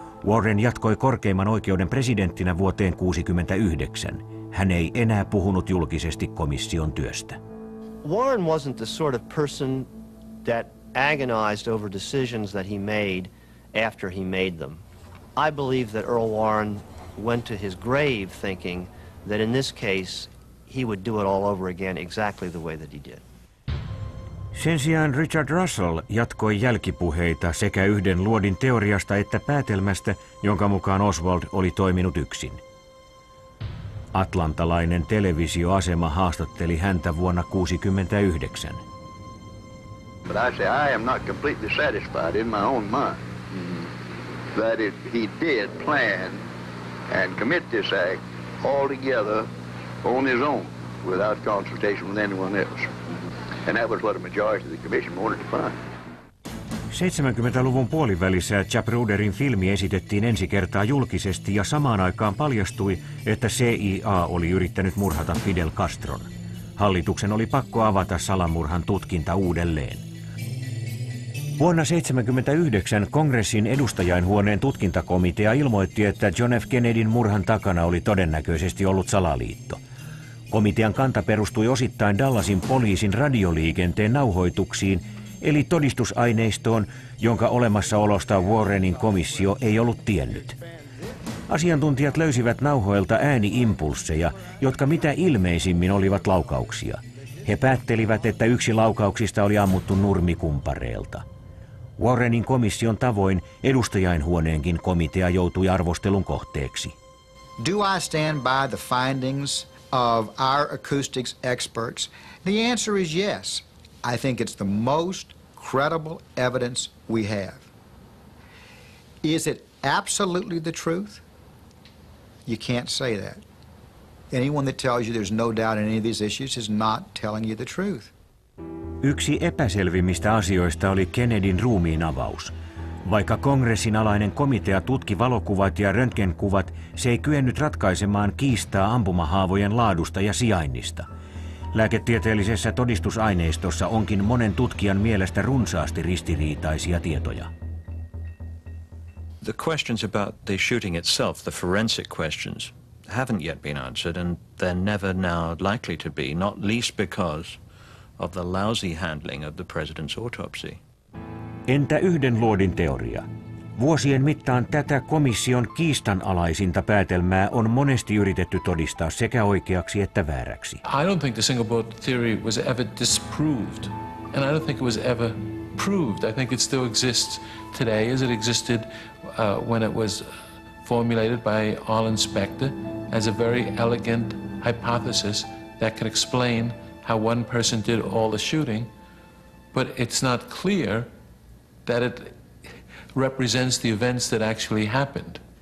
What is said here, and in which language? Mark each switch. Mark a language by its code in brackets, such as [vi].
[fi] Warren jatkoi korkeimman oikeuden presidenttinä vuoteen 1969. Hän ei enää puhunut julkisesti komission työstä. [en] Warren wasn't the sort of person that agonized over decisions that he made after he made them. I believe that Earl Warren went to his grave thinking that in this case he would do it all over again exactly the way that he did. [fi] Sen sijaan Richard Russell jatkoi jälkipuheita sekä yhden luodin teoriasta että päätelmästä, jonka mukaan Oswald oli toiminut yksin. Atlantalainen televisioasema haastatteli häntä vuonna 1969. [en] But I say I am not completely satisfied in my own mind that it, he did plan and commit this act altogether on his own without consultation with anyone else. And that was what a majority of the commission wanted to find. [fi] 70-luvun puolivälissä Chapruderin filmi esitettiin ensi kertaa julkisesti ja samaan aikaan paljastui, että CIA oli yrittänyt murhata Fidel Castron. Hallituksen oli pakko avata salamurhan tutkinta uudelleen. Vuonna 1979 kongressin edustajainhuoneen tutkintakomitea ilmoitti, että John F. Kennedyn murhan takana oli todennäköisesti ollut salaliitto. Komitean kanta perustui osittain Dallasin poliisin radioliikenteen nauhoituksiin, eli todistusaineistoon, jonka olemassaolosta Warrenin komissio ei ollut tiennyt. Asiantuntijat löysivät nauhoilta ääniimpulsseja, jotka mitä ilmeisimmin olivat laukauksia. He päättelivät, että yksi laukauksista oli ammuttu nurmikumpareelta. Warrenin komission tavoin edustajainhuoneenkin komitea joutui arvostelun kohteeksi. [en] Do I stand by the findings of our acoustics experts? The answer is yes. I think it's the most credible evidence we have. Is it absolutely the truth? You can't say that. Anyone that tells you there's no doubt in any of these issues is not telling you the truth. [fi] Yksi epäselvimmistä asioista oli Kennedyn ruumiin avaus. Vaikka kongressin alainen komitea tutki valokuvat ja röntgenkuvat, se ei kyennyt ratkaisemaan kiistaa ampumahaavojen laadusta ja sijainnista. Lääketieteellisessä todistusaineistossa onkin monen tutkijan mielestä runsaasti ristiriitaisia tietoja. [en] The questions about the shooting itself, the forensic questions, haven't yet been answered, and they're never now likely to be, not least because of the lousy handling of the president's autopsy. [fi] Entä yhden luodin teoria? Vuosien mittaan tätä komission kiistanalaisinta päätelmää on monesti yritetty todistaa sekä oikeaksi että vääräksi. [en] I don't think the single boat theory was ever disproved, and I don't think it was ever proved. I think it still exists today as it existed when it was formulated by Arlen Specter as a very elegant hypothesis that could explain how one person did all the shooting, but it's not clear that it represents the events that actually happened.